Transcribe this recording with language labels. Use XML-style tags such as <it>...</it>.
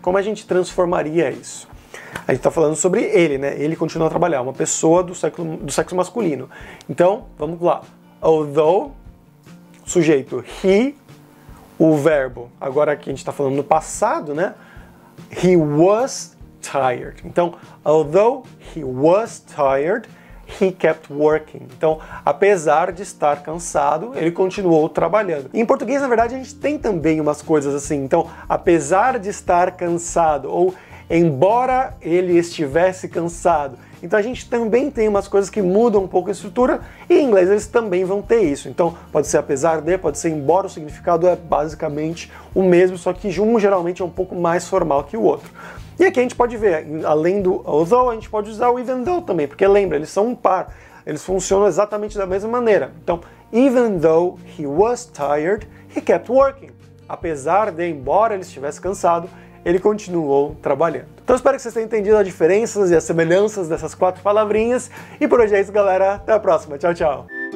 <pt>Como a gente transformaria isso? A gente está falando sobre ele, né? Ele continua a trabalhar, uma pessoa do sexo masculino. Então, vamos lá. Although, sujeito, he, o verbo. Agora aqui a gente está falando no passado, né?</pt> <en>He was tired. Então, although he was tired, he kept working.</en> <pt>Então, apesar de estar cansado, ele continuou trabalhando. Em português, na verdade, a gente tem também umas coisas assim. Então, apesar de estar cansado, ou embora ele estivesse cansado. Então, a gente também tem umas coisas que mudam um pouco a estrutura, e em inglês eles também vão ter isso. Então, pode ser apesar de, pode ser embora, o significado é basicamente o mesmo, só que um geralmente é um pouco mais formal que o outro. E aqui a gente pode ver, além do although, a gente pode usar o even though também, porque lembra, eles são um par, eles funcionam exatamente da mesma maneira.</pt> <en>Então, even though he was tired, he kept working.</en> <pt>Apesar de, embora ele estivesse cansado, ele continuou trabalhando. Então, espero que vocês tenham entendido as diferenças e as semelhanças dessas quatro palavrinhas. E por hoje é isso, galera. Até a próxima. Tchau, tchau.</pt>